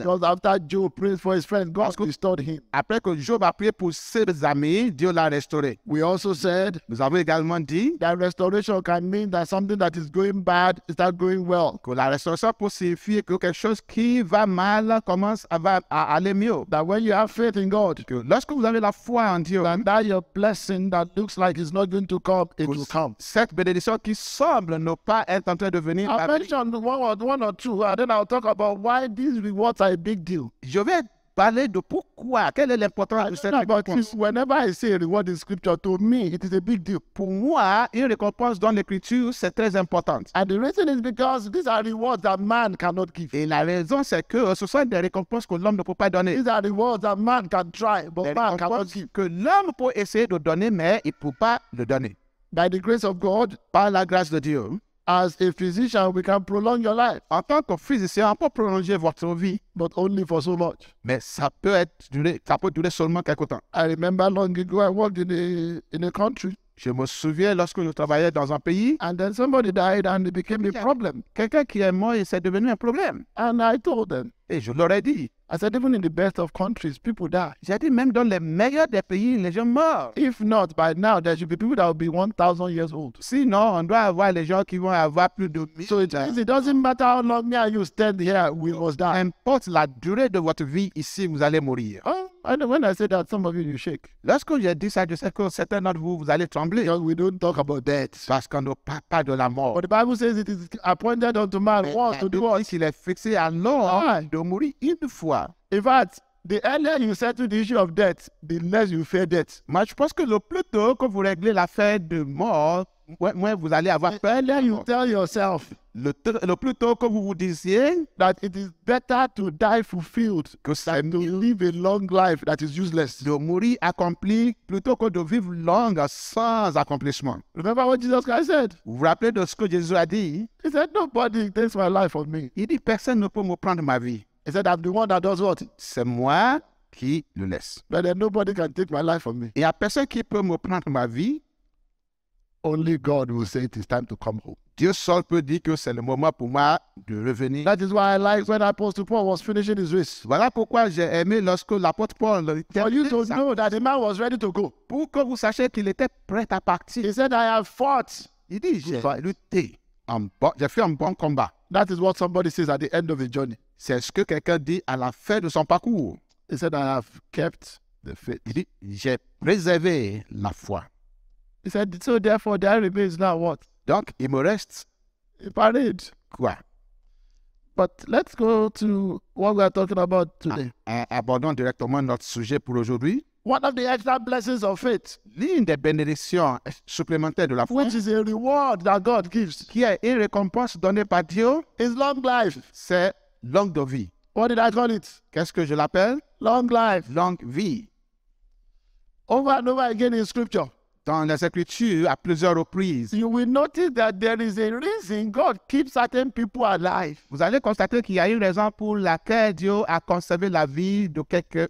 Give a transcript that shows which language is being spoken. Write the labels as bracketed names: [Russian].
[English] Because after Job prayed for his friend, God restored him. [French] Après que Job a prié pour ses amis, Dieu l'a restauré. [English] We also said. [French] Nous avons également dit [English] that restoration can mean that something that is going bad is not going well. [French] Que la restauration peut signifier que quelque chose qui va mal commence à aller mieux. [English] That when you have faith in God, [French] que lorsque vous avez la foi en Dieu, [English] and that your blessing that looks like it's not going to come, it will come. [French] Cette bénédiction qui semble ne pas être en train de venir. [English] I mentioned one or two, and then I'll talk about why these rewards are a big deal. [French] Je vais parler de pourquoi, quelle est l'importance de cette récompense. [English] Whenever I say a reward in scripture, to me, it is a big deal. [French] Pour moi, une récompense dans l'écriture, c'est très important. [English] And the reason is because these are rewards that man cannot give. [French] Et la raison, c'est que ce sont des récompenses que l'homme ne peut pas donner. [English] These are rewards that man can try, but les man cannot give. [French] Que l'homme peut essayer de donner, mais il ne peut pas le donner. [English] By the grace of God, [French] par la grâce de Dieu, [English] as a physician, we can prolong your life. [French] En tant que physicien, on peut prolonger votre vie. [English] But only for so much. [French] Mais ça peut durer seulement quelque temps. [English] I remember long ago, I worked in a country. [French] Je me souviens lorsque je travaillais dans un pays. [English] And then somebody died and it became a problem. [French] Quelqu'un qui est mort, c'est devenu un problème. [English] And I told them. [French] Et je leur ai dit. [English] I said, even in the best of countries, people die. [French] J'ai dit, même dans les meilleurs des pays, les gens meurent. [English] If not, by now, there should be people that will be 1,000 years old. [French] Sinon, on doit avoir les gens qui vont avoir plus de 1,000 [English] years. So it doesn't matter how long me and you stand here, we must die. [French] Importe la durée de votre vie ici, vous allez mourir. [English] When I say that, some of you shake. [French] Lorsque j'ai dit ça, je sais que certains d'entre vous, vous allez trembler. [English] Because we don't talk about death. [French] Parce qu'on ne parle pas de la mort. [English] But the Bible says it is appointed unto man once to do what? [French] Il est fixé à l'homme de mourir une fois. [English] In fact, the earlier you settle the issue of death, the less you fear death. [French] Mais je pense que le plus tôt que vous réglez l'affaire de mort, moins vous allez avoir peur. [English] The earlier you tell yourself. [French] Le plus tôt que vous vous disiez [English] that it is better to die fulfilled than to live a long life that is useless. [French] De mourir accompli plutôt que de vivre longue sans accomplishment. [English] Remember what Jesus Christ said? [French] Vous vous rappelez de ce que Jésus a dit? [English] He said, nobody takes my life from me. [French] Il dit, personne ne peut me prendre ma vie. [English] He said, I'm the one that does what? [French] C'est moi qui le laisse. [English] But then nobody can take my life from me. [French] Il y a personne qui peut me prendre ma vie. [English] Only God will say it is time to come home. [French] Dieu seul peut dire que c'est le moment pour moi de revenir. [English] That is why I like when Apostle Paul was finishing his race. [French] Voilà pourquoi j'ai aimé lorsque l'apôtre Paul. [English] For you to know that the man was ready to go. [French] Pour que vous sachiez qu'il était prêt à partir. [English] He said, I have fought. [French] Il dit, j'ai lutté. J'ai fait un bon combat. [English] That is what somebody says at the end of a journey. [French] C'est ce que quelqu'un dit à la fin de son parcours. [English] He said, I have kept the faith. [French] Il dit, j'ai préservé la foi. [English] He said, so therefore there remains now what? [French] Donc, il me reste. [English] Parade. [French] Quoi? [English] But let's go to what we are talking about today. [French] Abordons directement notre sujet pour aujourd'hui. [English] One of the extra blessings of faith. [French] L'une des bénédictions supplémentaires de la foi. [English] Which is a reward that God gives. [French] Qui est une récompense donnée par Dieu. [English] Is long life. [French] C'est longue de vie. [English] What did I call it? [French] Qu'est-ce que je l'appelle? [English] Long life. [French] Longue vie. [English] Over and over again in scripture. [French] Dans les écritures à plusieurs reprises. [English] You will notice that there is a reason God keeps certain people alive. [French] Vous allez constater qu'il y a une raison pour laquelle Dieu a conservé la vie de quelques